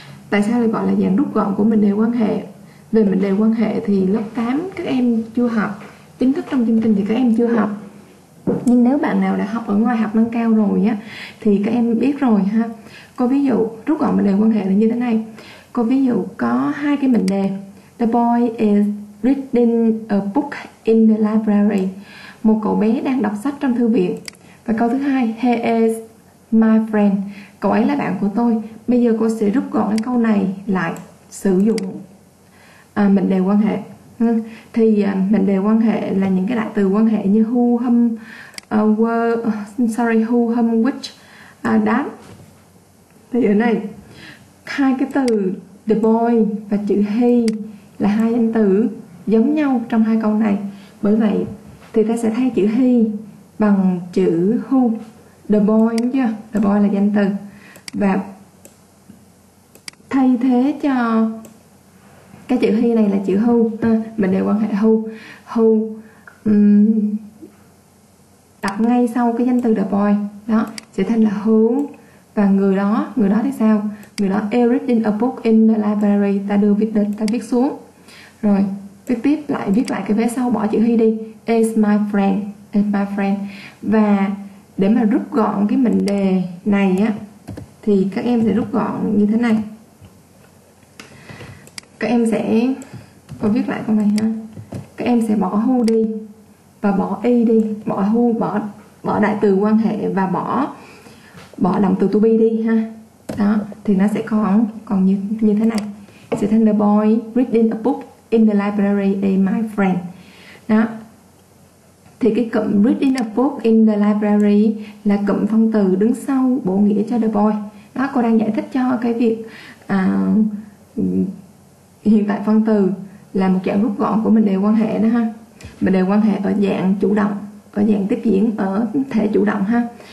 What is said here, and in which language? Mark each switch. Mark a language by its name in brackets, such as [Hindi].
[Vietnamese] Tại sao lại gọi là dạng rút gọn của mệnh đề quan hệ? Về mệnh đề quan hệ thì lớp 8 các em chưa học, chính thức trong chương trình thì các em chưa học. Nhưng nếu bạn nào đã học ở ngoài học nâng cao rồi á thì các em biết rồi ha. Có ví dụ rút gọn mệnh đề quan hệ là như thế này. Cô ví dụ có hai cái mệnh đề. [English] The boy is reading a book in the library. [Vietnamese] Một cậu bé đang đọc sách trong thư viện. Và câu thứ hai, [English] he is my friend. [Vietnamese] Cậu ấy là bạn của tôi. Bây giờ cô sẽ rút gọn cái câu này lại sử dụng mệnh đề quan hệ. Thì mệnh đề quan hệ là những cái đại từ quan hệ như who, whom, who, whom, which, that. Thì ở này hai cái từ the boy và chữ he là hai danh từ giống nhau trong hai câu này. Bởi vậy thì ta sẽ thay chữ he bằng chữ who. The boy đúng chưa? The boy là danh từ. Và thay thế cho cái chữ he này là chữ who. Mình đều quan hệ who. Who đặt ngay sau cái danh từ the boy. Đó, sẽ thành là who. Và người đó thì sao? Người đó [English] is reading a book in the library. [Vietnamese] Ta đưa viết đến, ta viết xuống. Rồi, viết tiếp lại, viết lại cái vế sau, bỏ chữ he đi. [English] Is my friend, is my friend. [Vietnamese] Và để mà rút gọn cái mệnh đề này á, thì các em sẽ rút gọn như thế này. Các em sẽ, cô viết lại câu này ha. Các em sẽ bỏ who đi và bỏ y đi. Bỏ who, bỏ đại từ quan hệ và bỏ động từ to be đi ha. Đó, thì nó sẽ còn như thế này. Sẽ thành [English] the boy reading a book in the library is my friend. [Vietnamese] Đó. Thì cái cụm [English] reading a book in the library [Vietnamese] là cụm phân từ đứng sau bổ nghĩa cho the boy. Đó, cô đang giải thích cho cái việc hiện tại phân từ là một dạng rút gọn của mệnh đề quan hệ đó ha. Mệnh đề quan hệ ở dạng chủ động, ở dạng tiếp diễn, ở thể chủ động ha.